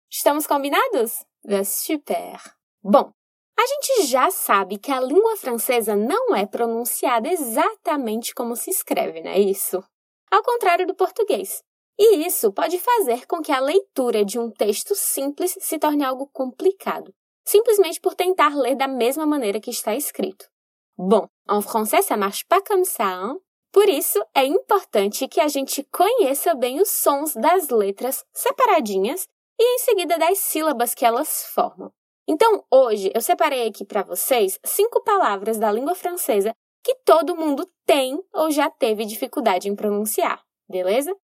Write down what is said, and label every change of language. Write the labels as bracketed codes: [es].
[pt] Estamos combinados? Super! Bom, a gente já sabe que a língua francesa não é pronunciada exatamente como se escreve, não é isso? Ao contrário do português. E isso pode fazer com que a leitura de um texto simples se torne algo complicado, simplesmente por tentar ler da mesma maneira que está escrito. [fr] Bon, en français ça marche pas comme ça, hein? [pt] Por isso, é importante que a gente conheça bem os sons das letras separadinhas e, em seguida, das sílabas que elas formam. Então, hoje, eu separei aqui para vocês cinco palavras da língua francesa que todo mundo tem ou já teve dificuldade em pronunciar, beleza?